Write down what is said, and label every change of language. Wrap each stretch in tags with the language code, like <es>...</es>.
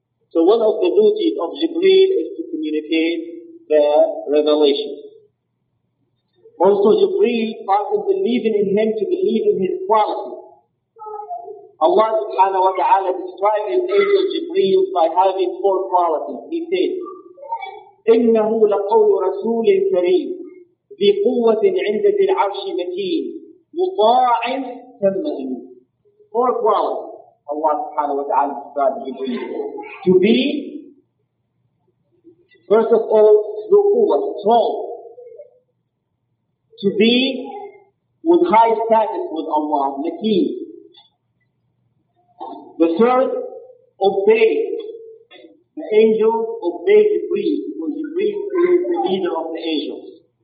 <en>So one of the duties of Jibreel is to communicate the revelation. Also Jibreel causes believing in him to believe in his quality. Allah subhanahu wa ta'ala described his angel Jibreel by having four qualities. He said,</en> <ar>إِنَّهُ لَقَوْلُ رَسُولٍ كَرِيمٍ ذِي قُوَّةٍ عِنْدَ ذِي الْعَرْشِ مَكِينٍ مُطَاعٍ ثَمَّ</ar> <en>Four qualities Allah subhanahu wa ta'ala described Jibreel. To be, first of all,</en> <ar>ذُو قُوَّةٍ,</ar> <en>strong. To be with high status with Allah, مَكِينٍ. The third, obey. The angel obey Jibreel, because Jibreel is the leader of the angels.</en>